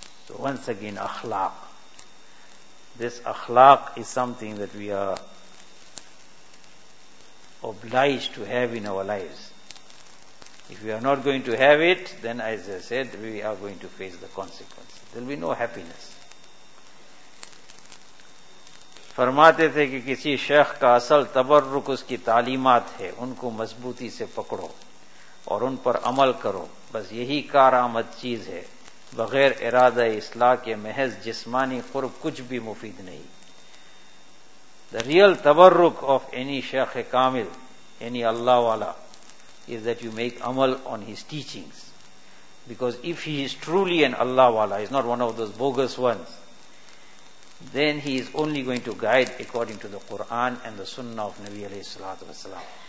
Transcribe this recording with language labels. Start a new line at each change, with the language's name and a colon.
English: So once again, akhlaq. This akhlaq is something that we are obliged to have in our lives. If we are not going to have it, then as I said, we are going to face the consequence. There will be no happiness.
Urdu: فرماتے تھے کہ کسی شیخ کا اصل تبرک اس کی تعلیمات ہے, ان کو مضبوطی سے پکڑو اور ان پر عمل کرو, بس یہی کارآمد چیز ہے. بغیر ارادہ اصلاح کے محض جسمانی قرب کچھ بھی مفید نہیں.
English: The real تبرک of any شیخ کامل, any اللہ والا, is that you make عمل on his teachings. Because if he is truly an Allah والا, he is not one of those bogus ones, then he is only going to guide according to the Quran and the Sunnah of Nabi alayhi salatu wasalam.